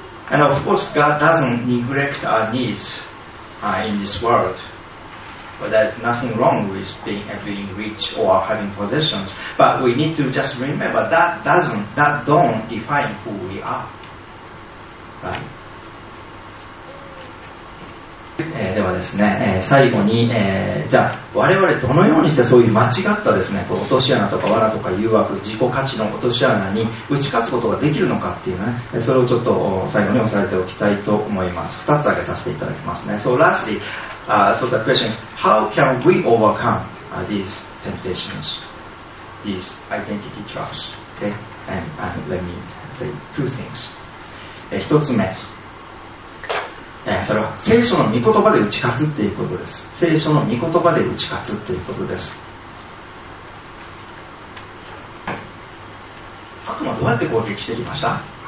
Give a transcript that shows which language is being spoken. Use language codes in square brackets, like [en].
[en] And of course, God doesn't neglect our needs in this world. But there's nothing wrong with being rich or having possessions. But we need to just remember that don't define who we are. Right? [ja] ではですね、最後に、じゃあ我々どのようにしてそういう間違ったですね、落とし穴とか罠とか誘惑、自己価値の落とし穴に打ち勝つことができるのかっていうね、それをちょっと最後に押さえておきたいと思います。 2つ挙げさせていただきますね。 [en] So lastly, so the question is, how can we overcome these temptations, these identity traps? Okay, and let me say two things. [ja] 一つ目、それは聖書の御言葉で打ち勝つということです。聖書の御言葉で打ち勝つということです。悪魔どうやって攻撃してきました？